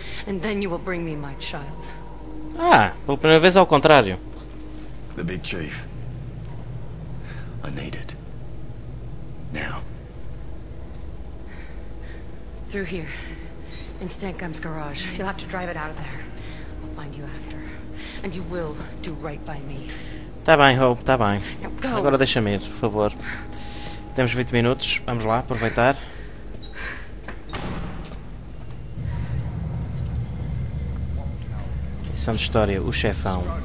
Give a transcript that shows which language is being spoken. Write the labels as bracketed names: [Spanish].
[English] And then you will bring me my child. [Portuguese] Ah, pela primeira vez ao contrário. [English] The big chief. I need it. Now. Through here. In Stankum's garage. You'll have to drive it out of there. will find you after. And you will do right by me. [Portuguese] Tá bem, Hope, tá bem. Agora deixa-me ir, por favor. Temos 20 minutos, vamos lá, aproveitar. Missão de história, o chefão.